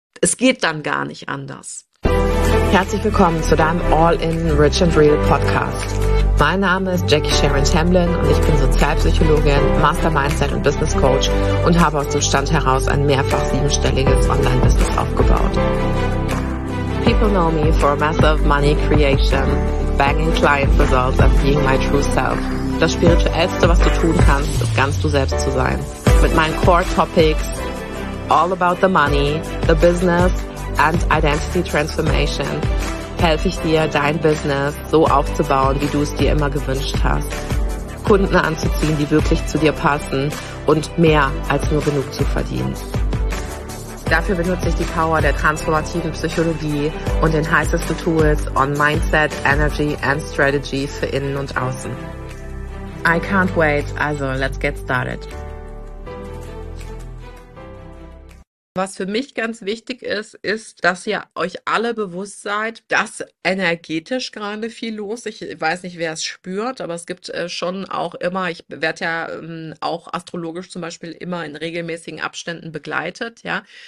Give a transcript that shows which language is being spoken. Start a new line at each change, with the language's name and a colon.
German: Es geht dann gar nicht anders. Herzlich willkommen zu deinem All-in Rich and Real Podcast. Mein Name ist Jackie Sharon Tamblyn und ich bin Sozialpsychologin, Master Mindset und Business Coach und habe aus dem Stand heraus ein mehrfach siebenstelliges Online-Business aufgebaut.
English: People know me for massive money creation, banging client results and being my true self.
German: Das Spirituellste, was du tun kannst, ist ganz du selbst zu sein. Mit meinen Core Topics,
English: all about the money, the business and identity transformation,
German: helfe ich dir, dein Business so aufzubauen, wie du es dir immer gewünscht hast. Kunden anzuziehen, die wirklich zu dir passen und mehr als nur genug zu verdienen. Dafür benutze ich die Power der transformativen Psychologie und den heißesten Tools
English: on Mindset, Energy and Strategies
German: für innen und außen.
English: I can't wait, also let's get started.
German: Was für mich ganz wichtig ist, ist, dass ihr euch alle bewusst seid, dass energetisch gerade viel los ist. Ich weiß nicht, wer es spürt, aber es gibt schon auch immer, ich werde ja auch astrologisch zum Beispiel immer in regelmäßigen Abständen begleitet, ja.